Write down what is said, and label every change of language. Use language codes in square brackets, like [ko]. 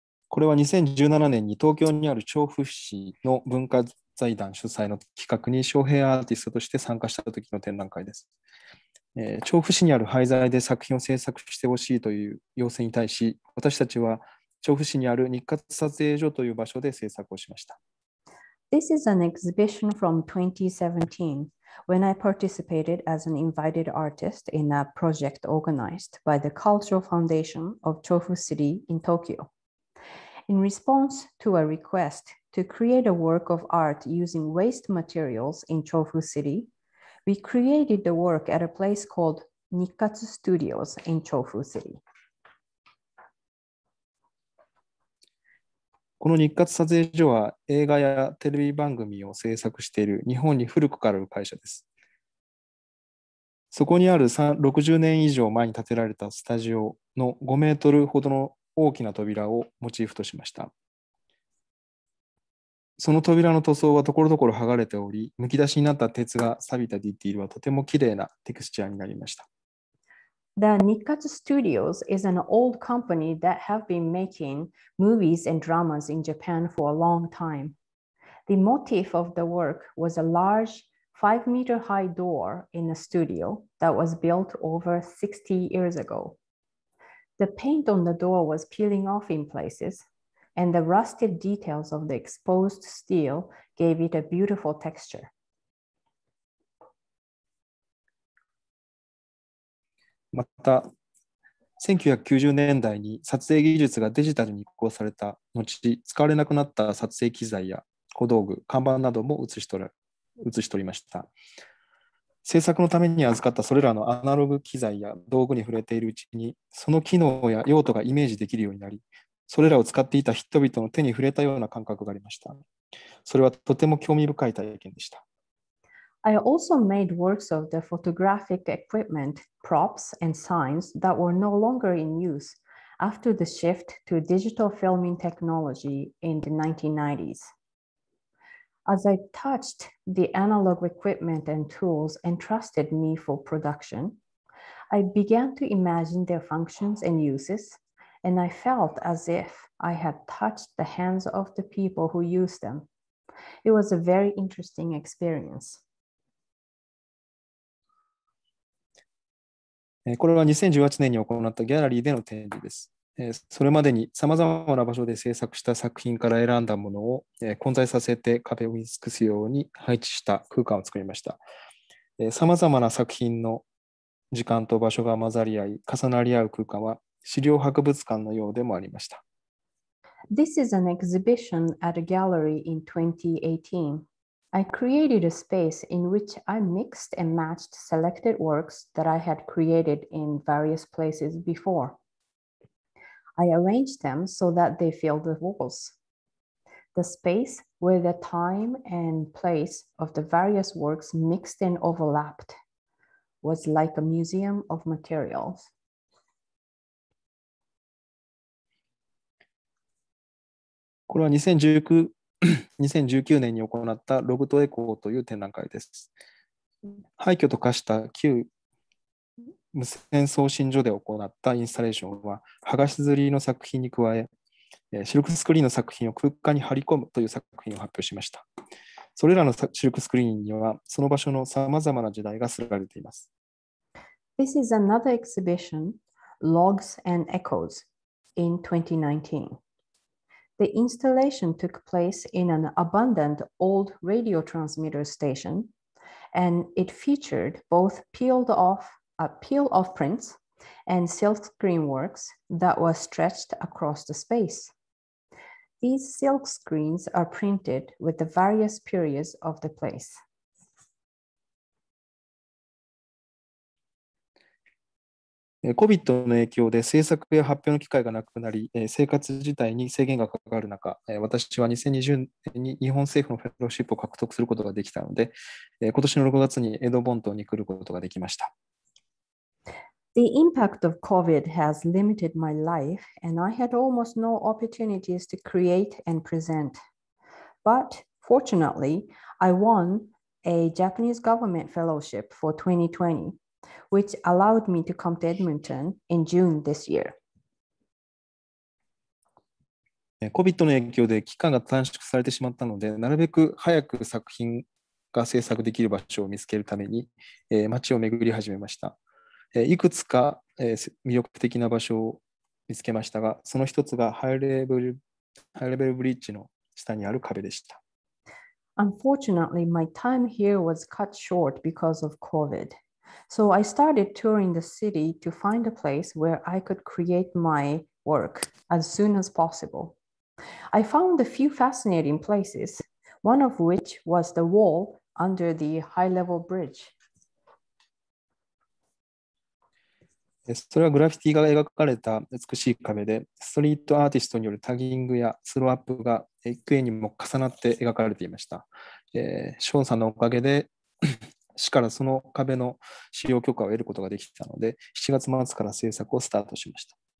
[ja] これは2017年に東京にある調布市の文化財団主催の企画に招聘アーティストとして参加した時の展覧会です。調布市にある廃材で作品を制作してほしいという要請に対し、私たちは調布市にある日活撮影所という場所で制作をしました。 [en] This is an exhibition from 2017 when I participated as an invited artist in a project organized by the Cultural Foundation of Chofu City in Tokyo. In response to a requestTo create a work of art using waste materials in Chofu City, we created the work at a place called Nikkatsu Studios in Chofu City. [ja] この日活撮影所は映画やテレビ番組を制作している日本に古くからある会社です。そこにある60年以上前に建てられたスタジオの5メートルほどの大きな扉をモチーフとしました。その扉の塗装はところどころ剥がれており、むき出しになった鉄が錆びたディティールはとてもきれいなテクスチャーになりました。 [en] The Nikkatsu Studios is an old company that have been making movies and dramas in Japan for a long time. The motif of the work was a large 5-meter high door in a studio that was built over 60 years ago. The paint on the door was peeling off in places. And the rusted details of the exposed steel gave it a beautiful texture. [ja] また、1990年代に撮影技術がデジタルに移行された後、使われなくなった撮影機材や小道具、看板なども写し取りました。制作のために預かったそれらのアナログ機材や道具に触れているうちに、その機能や用途がイメージできるようになり、それらを使っていた人々の手に触れたような感覚がありました。それはとても興味深い体験でした。 [en] I also made works of the photographic equipment, props, and signs that were no longer in use after the shift to digital filming technology in the 1990s. As I touched the analog equipment and tools entrusted me for production, I began to imagine their functions and uses. And I felt as if I had touched the hands of the people who used them. It was a very interesting experience. [ja] これは2018年に行ったギャラリーでの展示です。それまでに様々な場所で制作した作品から選んだものを混在させて壁を見尽くすように配置した空間を作りました。さまざまな作品の時間と場所が混ざり合い、重なり合う空間は資料博物館のようでもありました。 [en] This is an exhibition at a gallery in 2018. I created a space in which I mixed and matched selected works that I had created in various places before. I arranged them so that they filled the walls. The space where the time and place of the various works mixed and overlapped was like a museum of materials. [ja] これは2019年に行ったログとエコーという展覧会です。廃墟と化した旧無線送信所で行ったインスタレーションは、剥がし刷りの作品に加え、シルクスクリーンの作品を空間に貼り込むという作品を発表しました。それらのシルクスクリーンには、その場所のさまざまな時代が刷られています。 [en] This is another exhibition, Logs and Echoes, in 2019. The installation took place in an abandoned old radio transmitter station, and it featured both peel-off prints and silkscreen works that were stretched across the space. These silkscreens are printed with the various periods of the place. [ja] COVID の影響で制作や発表の機会がなくなり、生活自体に制限がかかる中、私は2020年に日本政府のフェローシップを獲得することができたので、今年の6月にエドボントンに来ることができました。 [en] The impact of COVID has limited my life, and I had almost no opportunities to create and present. But fortunately, I won a Japanese government fellowship for 2020. Which allowed me to come to Edmonton in June this year. [ja] COVID の影響で期間が短縮されてしまったので、なるべく早く作品が制作できる場所を見つけるために、街を巡り始めました。いくつか、魅力的な場所を見つけましたが、その一つがハイレベルブリッジの下にある壁でした。 [en] Unfortunately, my time here was cut short because of COVID. So I started touring the city to find a place where I could create my work as soon as possible. I found a few fascinating places, one of which was the wall under the high-level bridge. [ja] それはグラフィティが描かれた美しい壁で、ストリートアーティストによるタギングやスローアップが幾重にも重なって描かれていました。ショーンさんのおかげで市からその壁の使用許可を得ることができたので、7月末から制作をスタートしました。